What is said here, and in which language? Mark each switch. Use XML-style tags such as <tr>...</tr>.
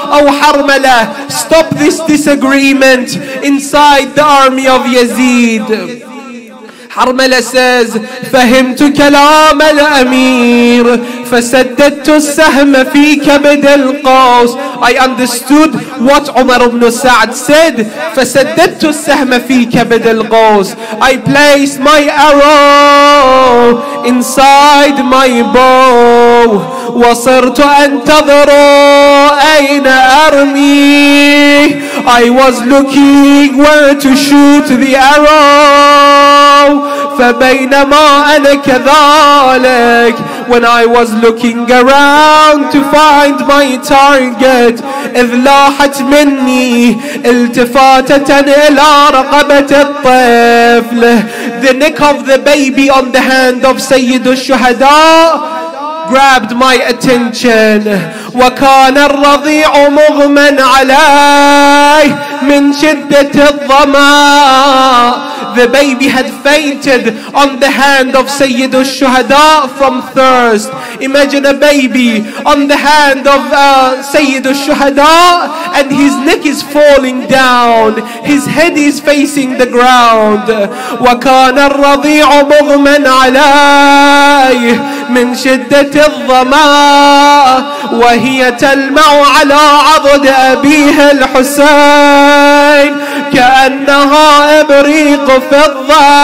<en>Oh حرملة, stop this disagreement inside the army of Yazid.</en> <ar>حرملة says, فهمت كلام الأمير فسددت السهم في كبد القوس.</ar> <en>I understood what Umar ibn Sa'd said.</en> <ar>فسددت السهم في كبد القوس.</ar> <en>I placed my arrow inside my bow.</en> <ar>وصرت أنتظر أين أرمي.</ar> <en>I was looking where to shoot the arrow.</en> <ar>فبينما أنا كذلك,</ar> <en>when I was looking around to find my target,</en> <ar>إذ لاحت مني التفاتة إلى رقبة الطفل.</ar> <en>The neck of the baby on the hand of سيد الشهداء grabbed my attention.</en> <ar>وكان الرضيع مغمى علي من شدة الظما.</ar> <en>The baby had fainted on the hand of Sayyid al-Shuhada from thirst. Imagine a baby on the hand of Sayyid al-Shuhada and his neck is falling down. His head is facing the ground.</en> <ar>وكان الرضيع مغمى علي من شدة الظما وهي تلمع على عضد أبيها الحسين كأنها إبريق فضة.</ar>